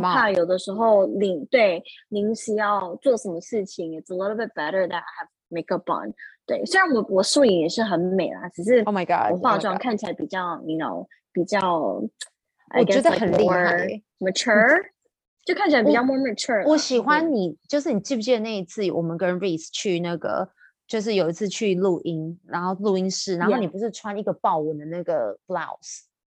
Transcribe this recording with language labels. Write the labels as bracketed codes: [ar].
[zh] 怕有的时候临时要做什么事情。 [en] It's a little bit better that I have makeup on。 [zh] 对，虽然我素颜也是很美啦，只是 [en] Oh my God， [zh] 我化妆看起来比较、 oh、 [en] you know [zh] 比较，我觉得很厉害， [en] mature， [zh] 就看起来比较 [en] more mature。 [zh] 我喜欢你，就是你记不记得那一次我们跟 Reese 去那个，就是有一次去录音，然后录音室，然后你不是穿一个豹纹的那个 blouse，